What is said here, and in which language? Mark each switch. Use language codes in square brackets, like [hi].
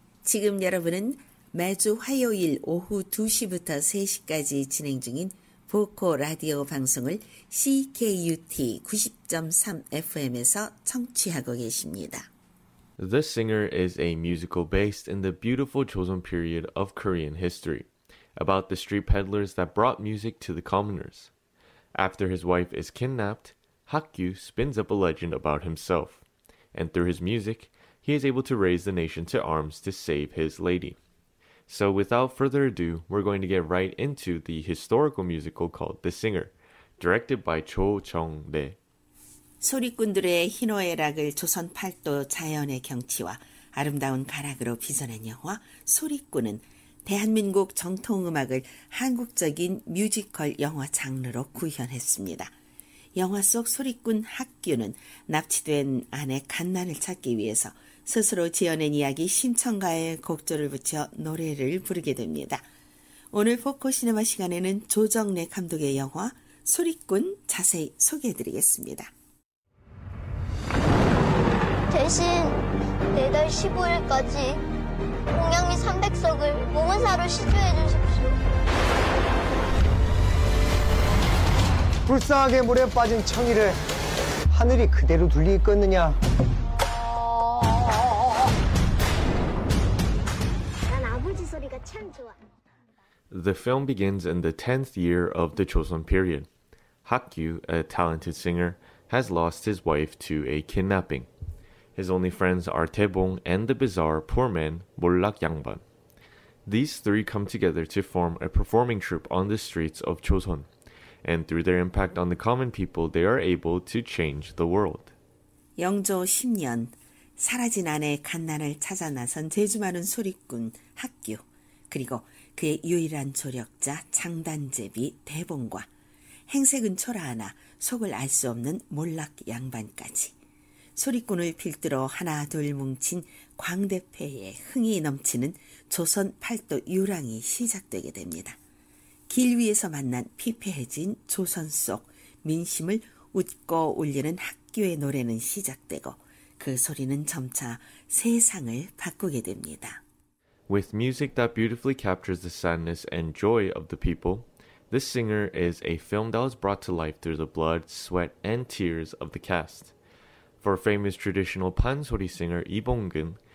[ko] 지금 여러분은 매주 화요일 오후 2시부터 3시까지 진행 중인 보코 라디오 방송을 CKUT 90.3 FM에서 청취하고 계십니다. [en] This singer is a musical based in the beautiful Joseon period of Korean history. About the street peddlers that brought music to the commoners. After his wife is kidnapped, Hakyu spins up a legend about himself, and through his music, he is able to raise the nation to arms to save his lady. So without further ado, we're going to get right into the historical musical called The Singer, directed by Cho Chong-rae. [ko] 소리꾼들의 희노애락을 조선 팔도 자연의 경치와 아름다운 가락으로 빚어낸 영화 소리꾼은 대한민국 정통음악을 한국적인 뮤지컬 영화 장르로 구현했습니다. 영화 속 소리꾼 학규는 납치된 아내 간난을 찾기 위해서 스스로 지어낸 이야기 심청가에 곡조를 붙여 노래를 부르게 됩니다. 오늘 포커 시네마 시간에는 조정래 감독의 영화 소리꾼 자세히 소개해드리겠습니다. 대신 4달 15일까지 공양미 300석을 모문사로 시주해 주십시오. 불쌍하게 물에 빠진 청이를 하늘이 그대로 둘리겠느냐? 난 아버지 소리가 참 좋아. [en] The film begins in the 10th year of the Joseon period. Hakyu, a talented singer, has lost his wife to a kidnapping. His only friends are Taebong and the bizarre poor man, Mollak Yangban. These three come together to form a performing troupe on the streets of Joseon, and through their impact on the common people, they are able to change the world. [ko] 영조 10년, 사라진 아내 간난을 찾아 나선 재주마른 소리꾼 학규, 그리고 그의 유일한 조력자 장단제비 대봉과 행색은 초라하나 속을 알 수 없는 몰락 양반까지. 소리꾼을 필두로 하나 둘 뭉친 광대패의 흥이 넘치는 조선 팔도 유랑이 시작되게 됩니다. 길 위에서 만난 피폐해진 조선 속 민심을 웃고 울리는 학교의 노래는 시작되고 그 소리는 점차 세상을 바꾸게 됩니다. [en] With music that beautifully captures the sadness and joy of the people, this singer is a film that was brought to life through the blood, sweat, and tears of the cast. For famous traditional pansori singer Lee Bong-geun,